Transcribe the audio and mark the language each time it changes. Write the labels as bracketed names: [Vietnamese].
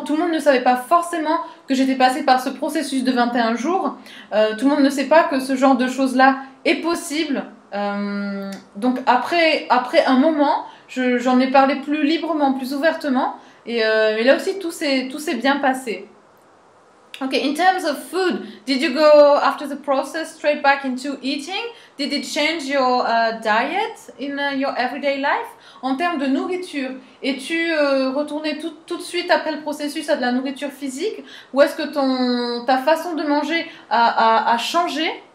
[French] Tout le monde ne savait pas forcément que j'étais passée par ce processus de 21 jours. Tout le monde ne sait pas que ce genre de choses-là est possible. Donc après un moment, j'en ai parlé plus librement, plus ouvertement, et là aussi tout s'est bien passé. [English] Okay, in terms of food, did you go after the process straight back into eating? Did it change your diet in your everyday life? [French] En termes de nourriture, es-tu retourné tout de suite après le processus à de la nourriture physique, ou est-ce que ta façon de manger a changé?